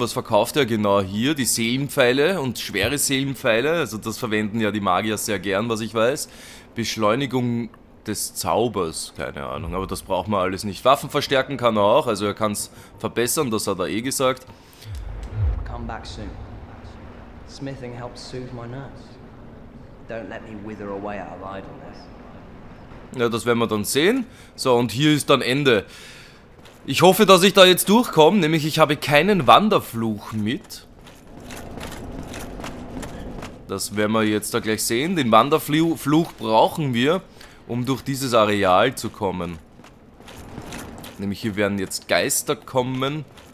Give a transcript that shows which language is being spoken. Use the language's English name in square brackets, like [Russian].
[German] Was verkauft er genau hier? Die Seelenpfeile und schwere Seelenpfeile. Also das verwenden ja die Magier sehr gern, was ich weiß. Beschleunigung des Zaubers, keine Ahnung, aber das braucht man alles nicht. Waffen verstärken kann er auch, also er kann es verbessern, das hat er eh gesagt. [English] Come back soon. Smithing helps soothe my nerves. Don't let me wither away out of idleness. [German] Ja, das werden wir dann sehen. So, und hier ist dann Ende. Ich hoffe, dass ich da jetzt durchkomme, nämlich ich habe keinen Wanderfluch mit. Das werden wir jetzt da gleich sehen. Den Wanderfluch brauchen wir. um durch dieses Areal zu kommen. Nämlich hier werden jetzt Geister kommen.